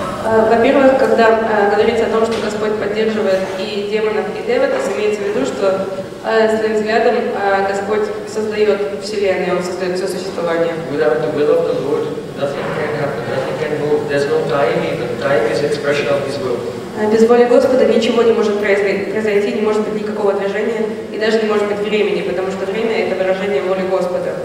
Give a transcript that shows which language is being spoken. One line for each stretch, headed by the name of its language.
Russian: Во-первых, когда говорится о том, что Господь поддерживает и демонов, и девотов, имеется в виду, что своим взглядом Господь создает Вселенную, Он создает все существование.
English: Without the will of the Lord, nothing can happen, nothing can move. There's no time even. Time is expression of His will.
Russian: Без воли Господа ничего не может произойти, не может быть никакого движения, и даже не может быть времени, потому что время — это выражение воли Господа.